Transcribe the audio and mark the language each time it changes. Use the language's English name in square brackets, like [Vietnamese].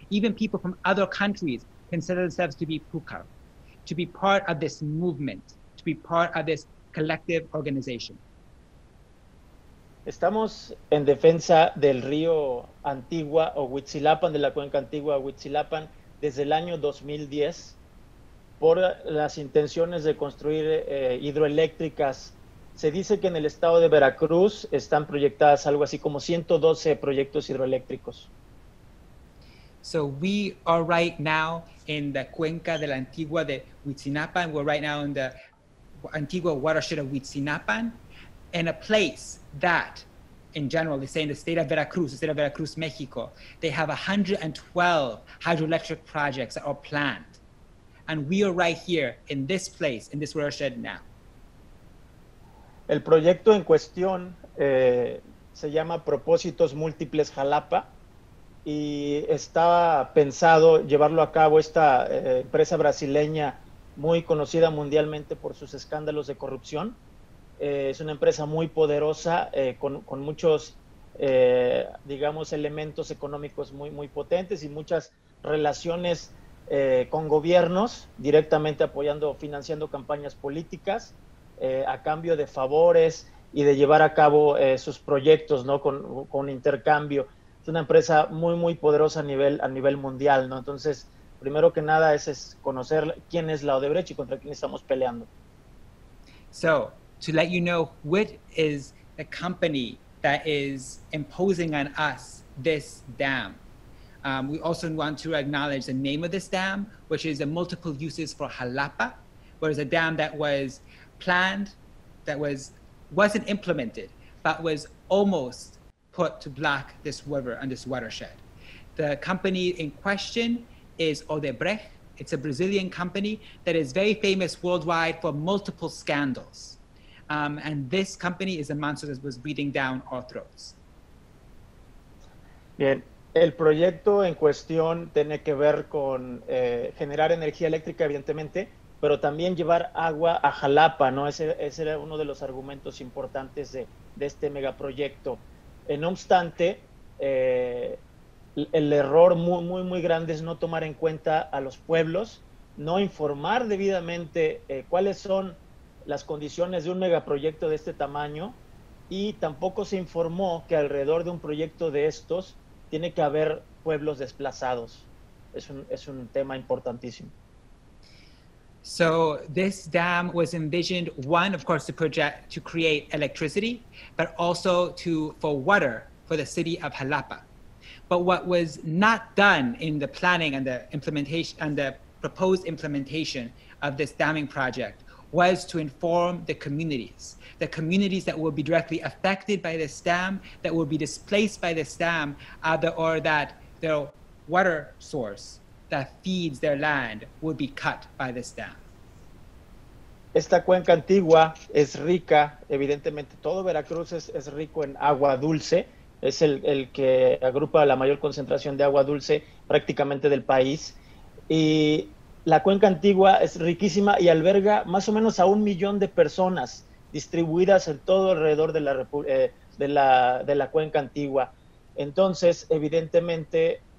[English] Even people from other countries consider themselves to be Púcar, to be part of this movement, to be part of this collective organization. [Spanish] Estamos en defensa del río Antigua o Huitzilapan, de la cuenca antigua Huitzilapan, desde el año 2010, por las intenciones de construir hidroeléctricas. Se dice que en el estado de Veracruz están proyectadas algo así como 112 proyectos hidroeléctricos. [English] So we are right now in the Cuenca de la Antigua de Huitzinapan. We're right now in the Antigua watershed of Huitzinapan, in a place that, in general, they say in the state of Veracruz, Mexico, they have 112 hydroelectric projects that are planned. And we are right here in this place, in this watershed now. [Spanish] El proyecto en cuestión se llama Propósitos Múltiples Jalapa y estaba pensado llevarlo a cabo esta empresa brasileña muy conocida mundialmente por sus escándalos de corrupción. Es una empresa muy poderosa con muchos, digamos, elementos económicos muy, muy potentes y muchas relaciones con gobiernos directamente apoyando, financiando campañas políticas. A cambio de favores y de llevar a cabo sus proyectos, ¿no? Con intercambio. Es una empresa muy, muy poderosa a nivel mundial, ¿no? Entonces, primero que nada es conocer quién es la Odebrecht y contra quién estamos peleando. [English] So, to let you know, which is the company that is imposing on us this dam. We also want to acknowledge the name of this dam, which is the Multiple Uses for Jalapa, which is a dam that was planned, that wasn't implemented, but was almost put to block this river and this watershed. The company in question is Odebrecht. It's a Brazilian company that is very famous worldwide for multiple scandals. And this company is a monster that was breathing down our throats. [Spanish] Bien, el proyecto en cuestión tiene que ver con generar energía eléctrica, evidentemente, pero también llevar agua a Jalapa, ¿no? Ese era uno de los argumentos importantes de este megaproyecto. No obstante, el error muy, muy, muy grande es no tomar en cuenta a los pueblos, no informar debidamente cuáles son las condiciones de un megaproyecto de este tamaño, y tampoco se informó que alrededor de un proyecto de estos tiene que haber pueblos desplazados. Es un tema importantísimo. [English] So this dam was envisioned, one, of course, to project to create electricity, but also for water for the city of Jalapa. But what was not done in the planning and the implementation and the proposed implementation of this damming project was to inform the communities that will be directly affected by this dam, that will be displaced by this dam, or that their water source that feeds their land would be cut by this dam. [Spanish] Esta cuenca antigua es rica, evidentemente todo Veracruz es rico en agua dulce, es el que agrupa la mayor concentración de agua dulce prácticamente del país, y la cuenca antigua es riquísima y alberga más o menos a 1 millón de personas distribuidas en todo alrededor de la cuenca antigua. Entonces, evidentemente,